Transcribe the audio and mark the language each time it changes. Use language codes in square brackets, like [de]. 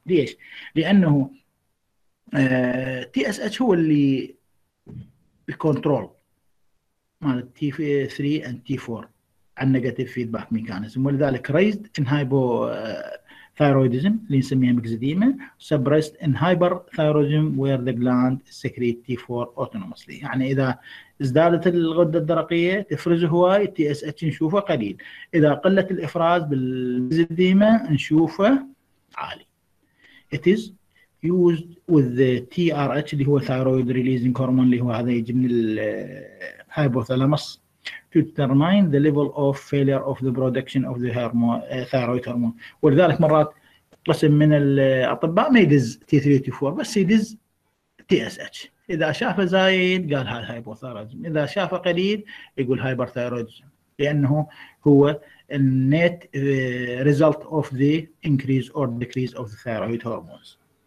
[ar] ليش؟ لانه تي اس اتش هو اللي بكنترول مال تي 3 اند تي 4 عن [en] negative feedback mechanism, [ar] ولذلك [en] raised in hypothyroidism [ar] اللي نسميها مكزديما، [en] Suppressed in hyperthyroidism where the gland secrete T 4 autonomously. [ar] يعني اذا ازدادت الغده الدرقيه تفرز هواي تي اس اتش نشوفه قليل، اذا قلت الافراز بالمكزديما نشوفه عالي. [en] It is used with the TRH [ar] اللي هو [en] thyroid releasing hormone [ar] اللي هو هذا يجي من الهايبوثالامس [en] to determine the level of failure of the production of the hormone, thyroid hormone. [ar] ولذلك مرات قسم من الأطباء ما يدز T3 T4 بس يدز TSH، إذا شافه زايد قال هذا hypothyroidism، إذا شافه قليل يقول hyperthyroidism، لأنه هو النت [en] result of the increase or decrease of the thyroid hormones.